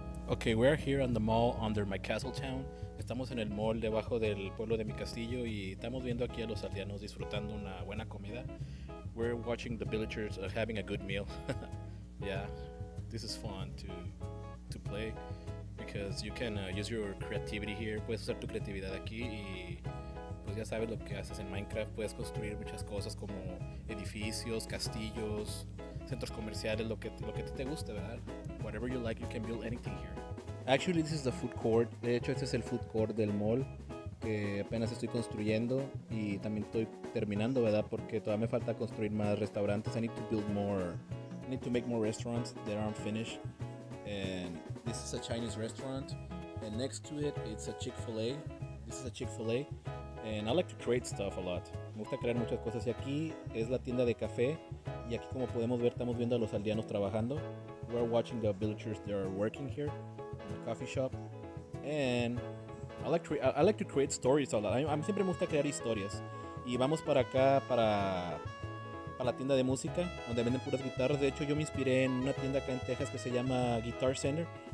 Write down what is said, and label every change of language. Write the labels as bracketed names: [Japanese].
[English] Okay, we're here on the mall under my castle town. [Spanish] Estamos en el mall debajo del pueblo de mi castillo y estamos viendo aquí a los aldeanos disfrutando una buena comida. [English] We're watching the villagers having a good meal. Yeah, this is fun to play because you can use your creativity here. [Spanish] Puedes usar tu creatividad aquí y pues ya sabes lo que haces en Minecraft. Puedes construir muchas cosas como edificios, castillos, centros comerciales, lo que te guste, ¿verdad? [English] Whatever you like, you can build anything here. Actually, this is the food court. [Spanish] De hecho, este es el food court del mall que apenas estoy construyendo y también estoy terminando, ¿verdad? Porque todavía me falta construir más restaurantes. [English] I need to make more restaurants that aren't finished. And this is a Chinese restaurant. And next to it, it's a Chick-fil-A. This is a Chick-fil-A. And I like to create stuff a lot. [Spanish] Me gusta crear muchas cosas. Y aquí es la tienda de café. Y aquí, como podemos ver, estamos viendo a los aldeanos trabajando. [English] We're watching the villagers that are working here. Coffee shop, and I like to create stories a lot. [Spanish] A mí siempre me gusta crear historias. Y vamos para acá para la tienda de música donde venden puras guitarras. De hecho, yo me inspiré en una tienda acá en Texas que se llama Guitar Center.